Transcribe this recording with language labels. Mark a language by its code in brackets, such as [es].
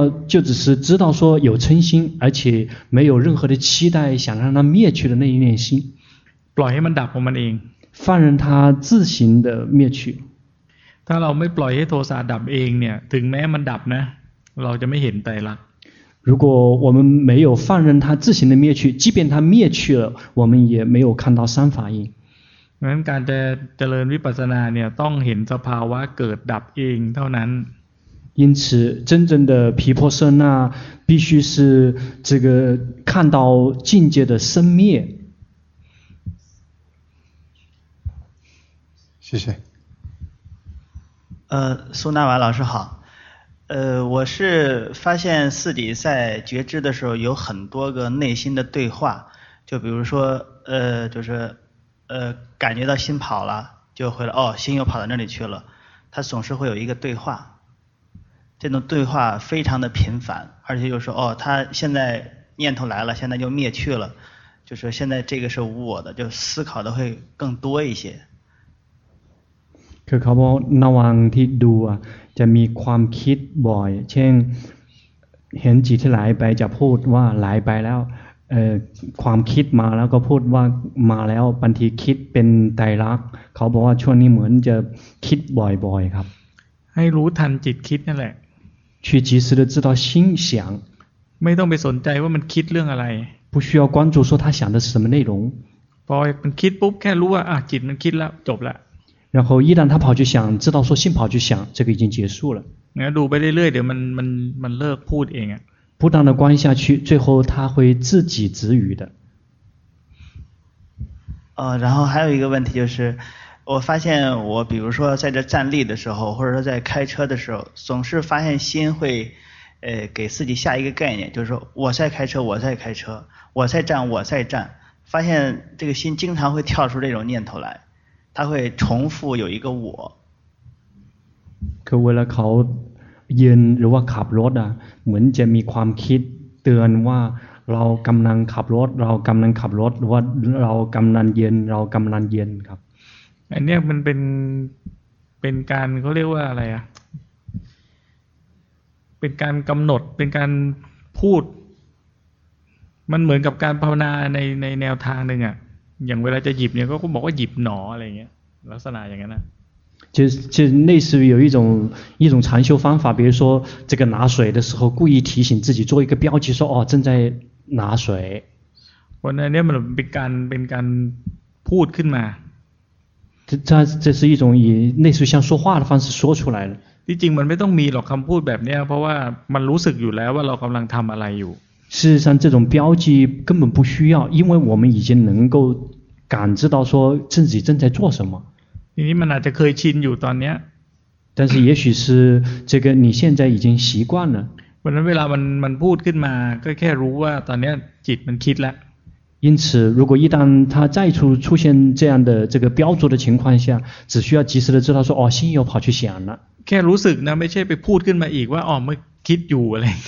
[zh] 就只是知道说有称心而且没有任何的期待想让它灭去的那一念心 [th] ปล่อยให้มันดับของมันเอง [zh] 放任它自行的灭去 [th] ถ้าเราไม่ปล่อยให้โทสะดับเองเนี่ยถึงแม้มันดับนะเราจะไม่เห็นไตรลักษณ์ [zh] 如果我们没有放任它自行的灭去即便它灭去了我们也没有看到三法印 [th] งั้นการจะเจริญวิปัสสนาเนี่ยต้องเห็นสภาวะเกิดดับเองเท่านั้น [zh] 因此真正的毗婆舍那必须是这个看到境界的生灭谢谢苏纳瓦老师好我是发现四底在觉知的时候有很多个内心的对话就比如说就是感觉到心跑了就回来哦心又跑到那里去了他总是会有一个对话这种对话非常的频繁而且就是说他现在念头来了现在就灭去了就是现在这个是无我的就思考的会更多一些 [th] คือเขาบอกระหว่างที่ดูจะมีความคิดบ่อยเช่นเห็นจิตที่ไหลไปจะพูดว่าไหลไปแล้วความคิดมาแล้วก็พูดว่ามาแล้วบางทีคิดเป็นไตรลักษณ์เขาบอกว่าช่วงนี้เหมือนจะคิดบ่อยๆครับ ให้รู้ทันจิตคิดนั่นแหละ [zh] 去及时的知道心想 [th] ไม่ต้องไปสนใจว่ามันคิดเรื่องอะไร [zh] 不需要关注说他想的是什么内容 [th] พอมันคิดปุ๊บแค่รู้ว่าจิตมันคิดแล้วจบละ [zh] 然后一旦他跑去想知道说心跑去想这个已经结束了那读 [th] ไปเรื่อยๆเดี๋ยวมันเลิกพูดเองอ่ะ [zh] 不断的观下去最后他会自己止语的然后还有一个问题就是我发现我比如说在这站立的时候或者说在开车的时候总是发现心会给自己下一个概念就是说我在开车我在站发现这个心经常会跳出这种念头来他会重复有一个我 [th] คือเวลาเขายืนหรือว่าขับรถอ่ะเหมือนจะมีความคิดเตือนว่าเรากำลังขับรถหรือว่าเรากำลังเย็นครับ อันนี้มันเป็นการเขาเรียกว่าอะไรอ่ะเป็นการกำหนดเป็นการพูดมันเหมือนกับการภาวนาในแนวทางนึงอ่ะอย่างเวลาจะหยิบเนี่ยก็บอกว่าหยิบหนออะไรเงี้ยลักษณะอย่างนั้นนะ [zh] 就类似于有一种禅修方法比如说这个拿水的时候故意提醒自己做一个标记说哦正在拿水我那里面 [th] เป็นการพูดขึ้นมา [zh] 这是一种以类似像说话的方式说出来 [th] 的จริงมันไม่ต้องมีหรอกคำพูดแบบนี้เพราะว่ามันรู้สึกอยู่แล้วว่าเรากำลังทำอะไรอยู่ [zh] 事实上这种标记根本不需要因为我们已经能够感知到说自己正在做什么 [th] ทีนี้มันอาจจะเคยชินอยู่ตอนเนี้ย [zh] 但是也许是这个你现在已经习惯了 [th] เพราะเวลามันพูดขึ้นมาก็แค่รู้ว่าตอนเนี้ยจิตมันคิดแล้ว [zh] 因此如果一旦它再出现这样的这个标注的情况下只需要及时的知道说哦心又跑去想了 [th] แค่รู้สึกนะไม่ใช่ไปพูดขึ้นมาอีกว่าอ๋อไม่คิดอยู่อะไร